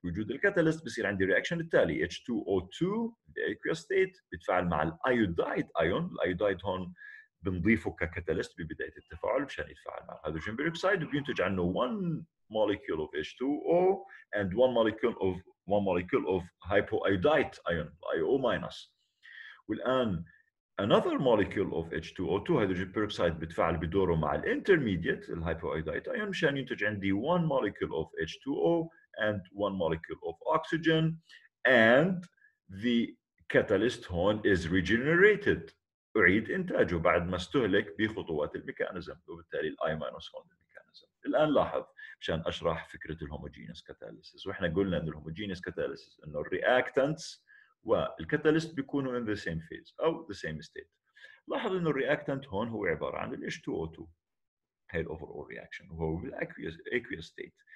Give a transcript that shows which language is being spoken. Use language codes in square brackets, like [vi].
[ar] بوجود الكاتاليست بصير عندي رياكشن التالي: H2O2 [en] in the aqueous state [ar] بتفاعل مع الأيودايد أيون. الأيودايد هون بنضيفه ككاتاليست ببداية التفاعل مشان يتفاعل مع الهيدروجين بيروكسيد، وبينتج عنه [en] 1 molecule of H2O and one molecule of hypoiodide ion IO minus. [ar] والآن [en] another molecule of H2O2 hydrogen peroxide [ar] بتفاعل بدوره مع ال intermediate ال hypoiodide ion مشان ينتج عندي [en] 1 molecule of H2O and 1 molecule of oxygen, and the catalyst [ar] هون [en] is regenerated, [ar] أعيد إنتاجه بعد ما استهلك بخطوات الميكانيزم، وبالتالي ال I minus هون الميكانيزم. الآن لاحظ عشان اشرح فكره الهوموجينيوس كاتاليسس، واحنا قلنا ان الهوموجينيوس كاتاليسس انه الرياكتانتس والكاتاليست بيكونوا ان ذا سيم فيز او ذا سيم ستيت. لاحظ انه الرياكتانت هون هو عباره عن الاتش 2 او 2 هي الاوفر اول رياكشن، وهو بالاكويوس ستيت.